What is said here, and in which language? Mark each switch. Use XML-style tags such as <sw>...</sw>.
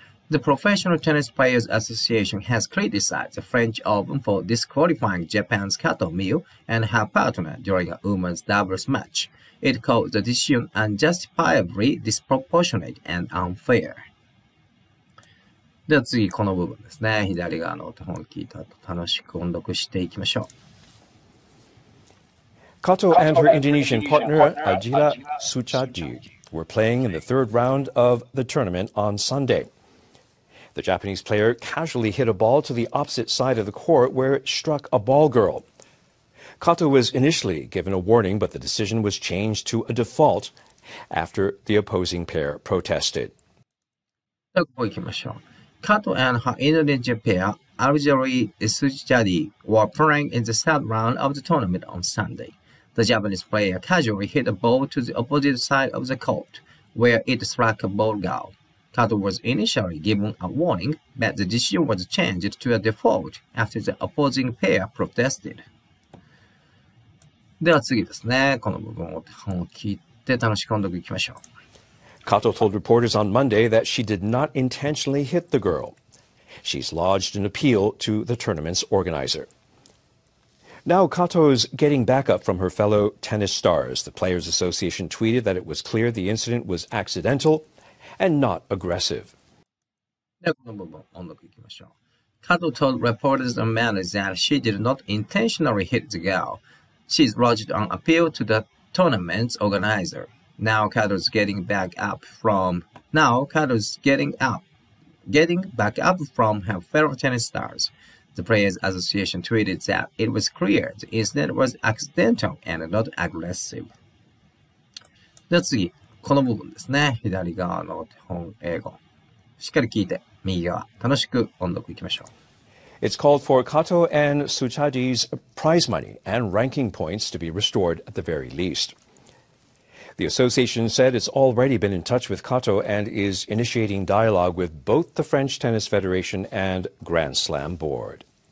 <en>The Professional Tennis Players Association has criticized the French Open for disqualifying Japan's Kato Miyu and her partner during a women's doubles match. It called the decision unjustifiably disproportionate and unfair.</en> <ja>では次この部分ですね。左側の音を聞いた後、楽しく音読していきましょう。</ja> <en>Kato and her Indonesian partner, Ajila Suchaji, were playing in the third round of the tournament on Sunday. The Japanese player casually hit a ball to the opposite side of the court where it struck a ball girl. Kato was initially given a warning, but the decision was changed to a default after the opposing pair protested. Kato and her Indonesian pair, Ajila Suchaji, were playing in the third round of the tournament on Sunday. The Japanese player casually hit a ball to the opposite side of the court, where it struck a ball girl. Kato was initially given a warning, but the decision was changed to a default after the opposing pair protested.</en> <ja>では次ですね。この部分を聞いて楽しく音読いきましょう。</ja> <en>Kato told reporters on Monday that she did not intentionally hit the girl. She's lodged an appeal to the tournament's organizer. Now Kato's getting backup from her fellow tennis stars. The Players Association tweeted that it was clear the incident was accidental and not aggressive.</en> <ja>ではこの部分を音読いきましょう。</ja> <en>Kato told reporters on Monday that she did not intentionally hit the girl. She's lodged an appeal to the tournament's organizer. Now Kato's getting back up from getting back up from her fellow tennis stars. The Players Association tweeted that it was clear the incident was accidental and not aggressive.</en> <ja>で次、この部分ですね。左側の手本英語。しっかり聞いて、右側、楽しく音読いきましょう。</ja> <en>It's called for Kato and Suchaji's prize money and ranking points to be restored at the very least. The association said it's already been in touch with Kato and is initiating dialogue with both the French Tennis Federation and Grand Slam Board.</en>